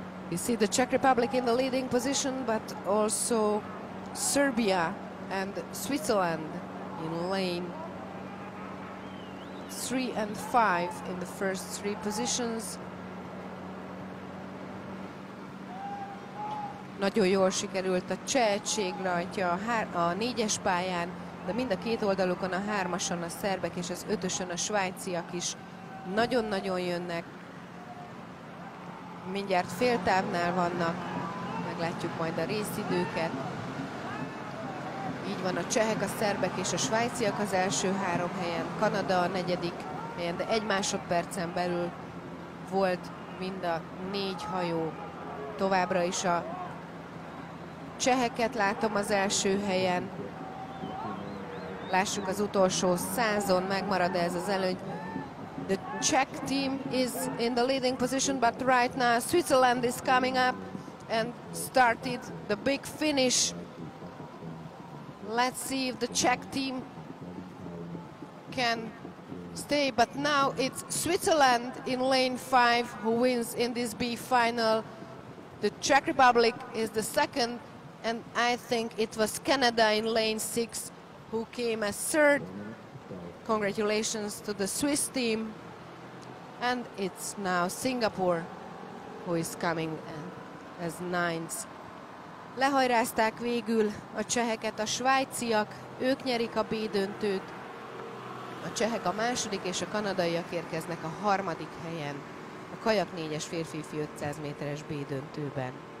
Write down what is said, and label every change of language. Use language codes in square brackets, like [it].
[en] You see the Czech Republic in the leading position, but also Serbia and Switzerland in lane 3 and 5 in the first three positions. [hu] Nagyon jól sikerült a cseh egység rajtja a négyes pályán, de mind a két oldalukon a hármason a szerbek és az ötösön a svájciak is nagyon-nagyon jönnek. Mindjárt fél távnál vannak, meglátjuk majd a részidőket. Így van a csehek, a szerbek és a svájciak az első három helyen, Kanada a negyedik helyen, de egy másodpercen belül volt mind a négy hajó. Továbbra is a cseheket látom az első helyen. Lássuk az utolsó százon, megmarad ez az előny. [en] The Czech team is in the leading position, but right now Switzerland is coming up and started the big finish. Let's see if the Czech team can stay, but now it's Switzerland in lane 5 who wins in this B final. The Czech Republic is the second, and I think it was Canada in lane 6 who came as third. Congratulations to the Swiss team. And it's now Singapore who is coming as ninth. [hu] Lehajrázták végül a cseheket a svájciak, ők nyerik a B döntőt. A csehek a második és a kanadaiak érkeznek a harmadik helyen a kajak 4-es férfi 500 méteres B döntőben.